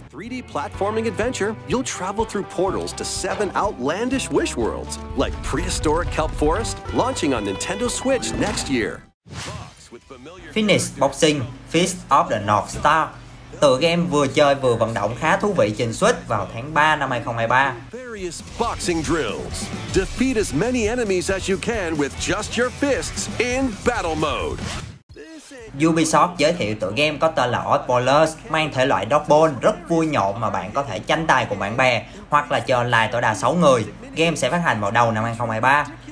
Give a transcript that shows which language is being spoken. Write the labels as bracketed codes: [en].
[en] 3D platforming adventure, you'll travel through portals to seven outlandish wish worlds, like prehistoric kelp forest, launching on Nintendo Switch next year. Finish Boxing, Fist of the North Star. [vi] Tựa game vừa chơi vừa vận động khá thú vị trên Switch vào tháng 3 năm 2023. [en] Various boxing drills. Defeat as many enemies as you can with just your fists in battle mode. [vi] Ubisoft giới thiệu tựa game có tên là Outballers, mang thể loại dodgeball rất vui nhộn mà bạn có thể tranh tài cùng bạn bè hoặc là chơi online tối đa 6 người. Game sẽ phát hành vào đầu năm 2023.